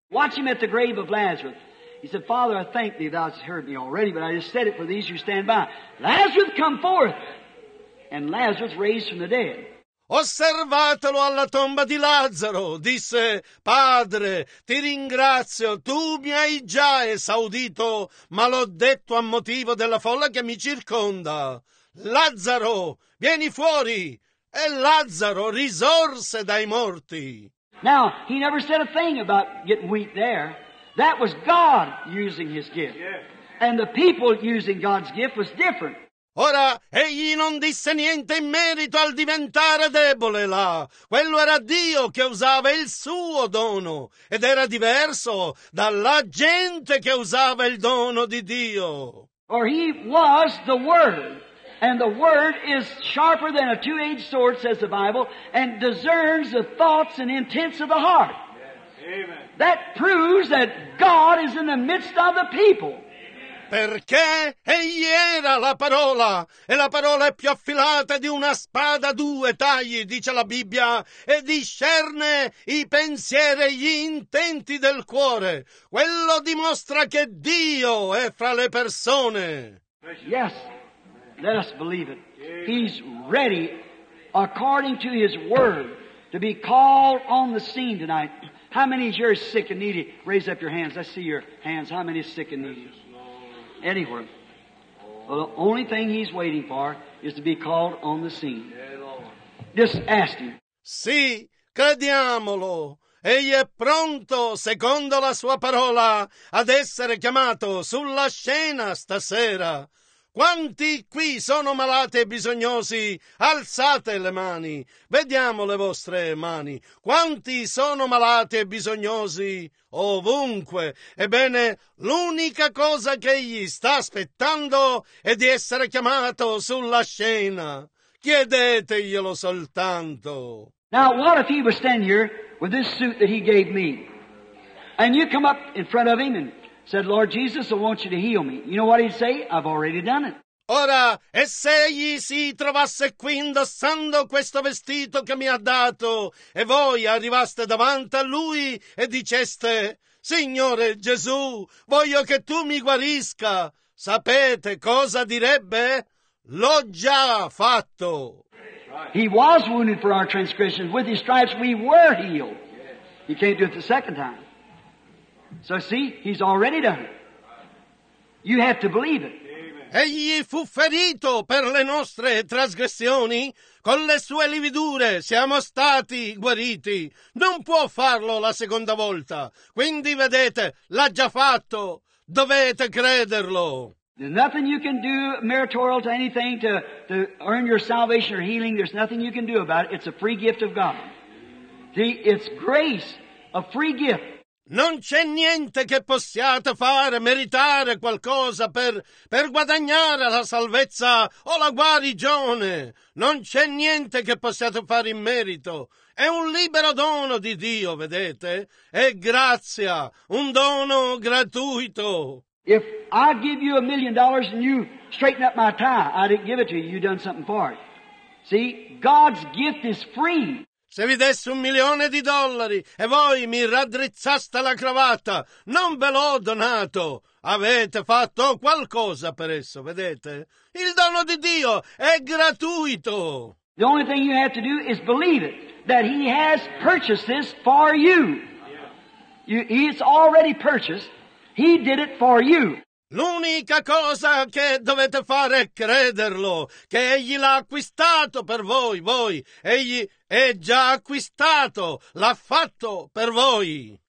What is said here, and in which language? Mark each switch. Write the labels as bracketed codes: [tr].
[en] Watch him at the grave of Lazarus. He said, Father, I thank thee, thou hast heard me already, but I just said it for these who stand by. Lazarus, come forth! And Lazarus raised from the dead. [it] Osservatelo alla tomba di Lazzaro, disse, Padre, ti ringrazio, tu mi hai già esaudito, ma l'ho detto a motivo della folla che mi circonda. Lazzaro, vieni fuori! E Lazzaro risorse dai morti. [en] Now, he never said a thing about getting weak there. That was God using his gift. And the people using God's gift was different. [it] Ora, egli non disse niente in merito al diventare debole là. Quello era Dio che usava il suo dono, ed era diverso dalla gente che usava il dono di Dio. [en] Or he was the Word, and the Word is sharper than a two-edged sword, says the Bible, and discerns the thoughts and intents of the heart. Yes. Amen. That proves that God is in the midst of the people. [it] Perché egli era la parola, e la parola è più affilata di una spada a due tagli, dice la Bibbia, e discerne i pensieri e gli intenti del cuore. Quello dimostra che Dio è fra le persone. [en] Yes, let us believe it. He's ready, according to his word, to be called on the scene tonight. How many is yours sick and needy? Raise up your hands. I see your hands. How many is sick and needy? Anywhere. Well, the only thing he's waiting for is to be called on the scene. Just ask him. [it] Sì, crediamolo. Egli è pronto, secondo la sua parola, ad essere chiamato sulla scena stasera. Quanti qui sono malati e bisognosi? Alzate le mani. Vediamo le vostre mani. Quanti sono malati e bisognosi? Ovunque. Ebbene, l'unica cosa che egli sta aspettando è di essere chiamato sulla scena. Chiedeteglielo soltanto. [en] Now, what if he was standing here with this suit that he gave me? And you come up in front of him and said, Lord Jesus, I want you to heal me. You know what he'd say? I've already done it. [it] Ora, e se egli si trovasse qui indossando questo vestito che mi ha dato, e voi arrivaste davanti a lui e diceste, Signore Gesù, voglio che tu mi guarisca. Sapete cosa direbbe? L'ho già fatto. [en] He was wounded for our transgressions. With his stripes we were healed. He can't do it the second time. So see, he's already done it. You have to believe it. [it] Egli fu ferito per le nostre trasgressioni, con le sue lividure siamo stati guariti. Non può farlo la seconda volta. Quindi vedete, l'ha già fatto. Dovete crederlo. [en] There's nothing you can do meritorial to anything to earn your salvation or healing. There's nothing you can do about it. It's a free gift of God. See, it's grace, a free gift. [it] Non c'è niente che possiate fare, meritare qualcosa per guadagnare la salvezza o la guarigione. Non c'è niente che possiate fare in merito. È un libero dono di Dio, vedete? È grazia, un dono gratuito. [en] If I give you $1,000,000 and you straighten up my tie, I didn't give it to you, you've done something for it. See, God's gift is free. [it] Se vi dessi $1,000,000 e voi mi raddrizzaste la cravatta, non ve l'ho donato. Avete fatto qualcosa per esso, vedete? Il dono di Dio è gratuito. [en] The only thing you have to do is believe it, that he has purchased this for you. It's already purchased. He did it for you. [it] L'unica cosa che dovete fare è crederlo, che egli l'ha acquistato per voi, voi. Egli è già acquistato, l'ha fatto per voi.